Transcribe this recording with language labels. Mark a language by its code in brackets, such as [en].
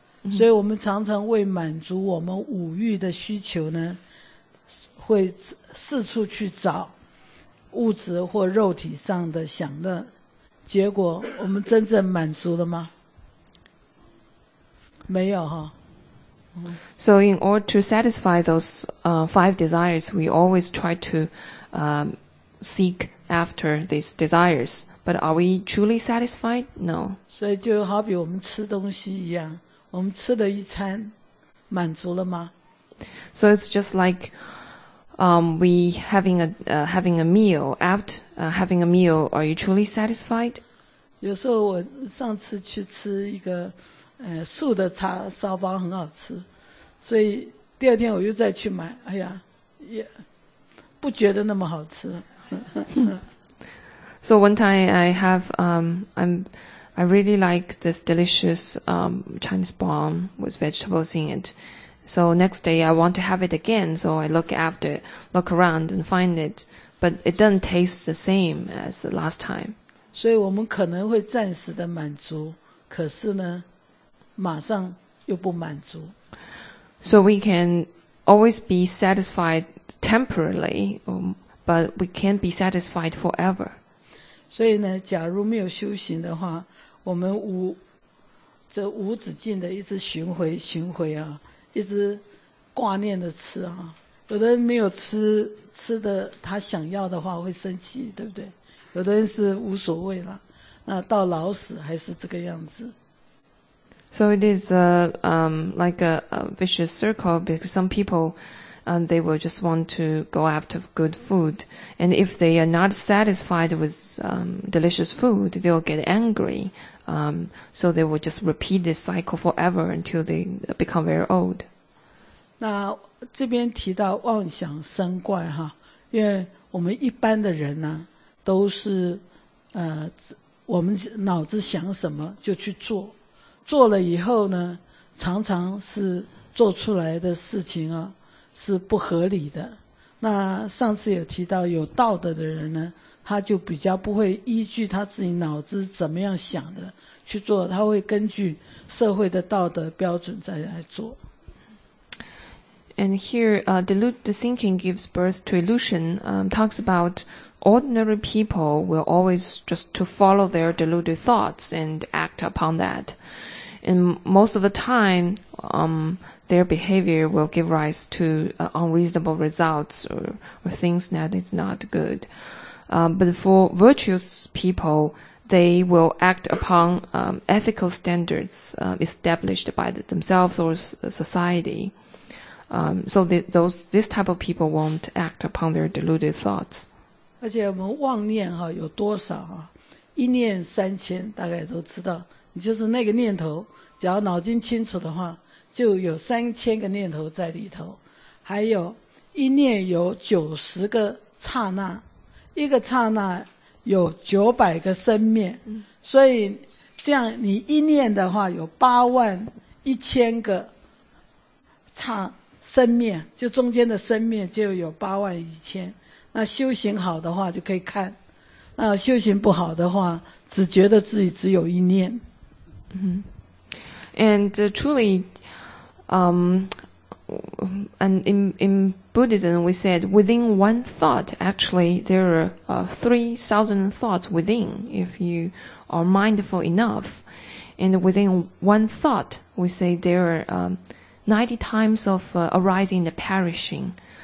[zh] 所以我们常常为满足我们五欲的需求呢，会四处去找物质或肉体上的享乐，结果我们真正满足了吗？没有哈。 [en] So in order to satisfy those five desires, we always try to seek after these desires. But are we truly satisfied? No. [zh] 所以就好比我们吃东西一样，我们吃了一餐，满足了吗？ [en] So it's just like we having a meal, are you truly satisfied? [zh] 有时候我上次去吃一个素的叉烧包很好吃，所以第二天我又再去买，哎呀，也不觉得那么好吃。 [en] So one time I have, I really like this delicious Chinese bomb with vegetables in it. So next day I want to have it again, so I look around and find it. But it doesn't taste the same as the last time. [zh] 所以我们可能会暂时的满足，可是呢，马上又不满足。 [en] So we can always be satisfied temporarily, but we can't be satisfied forever. [zh] 所以呢，假如没有修行的话，我们无止境的一直循回啊，一直挂念的吃啊。有的人没有吃的他想要的话会生气，对不对？有的人是无所谓了，那到老死还是这个样子。 [en] So it is like a vicious circle because some people. And they will just want to go after good food. And if they are not satisfied with delicious food, they will get angry. So they will just repeat this cycle forever until they become very old. [zh] 那这边提到妄想生怪哈，因为我们一般的人呢，都是我们脑子想什么就去做，做了以后呢，常常是做出来的事情啊。是不合理的。那上次有提到有道德的人呢，他就比较不会依据他自己脑子怎么样想的去做，他会根据社会的道德标准再来做。 [en] And here, deluded thinking gives birth to illusion. Talks about ordinary people will always just to follow their deluded thoughts and act upon that. And most of the time, their behavior will give rise to unreasonable results or things that is not good. But for virtuous people, they will act upon ethical standards established by themselves or society. So this type of people won't act upon their deluded thoughts. [zh] 而且我们妄念哈有多少啊？一念三千，大概都知道。你就是那个念头，只要脑筋清楚的话。就有三千个念头在里头，还有一念有九十个刹那，一个刹那有九百个生灭，所以这样你一念的话有八万一千个生灭，就中间的生灭就有八万一千。那修行好的话就可以看，那修行不好的话只觉得自己只有一念。 [en] And truly. And in Buddhism, we said within one thought, actually, there are 3,000 thoughts within if you are mindful enough. And within one thought, we say there are 90 times of arising and perishing.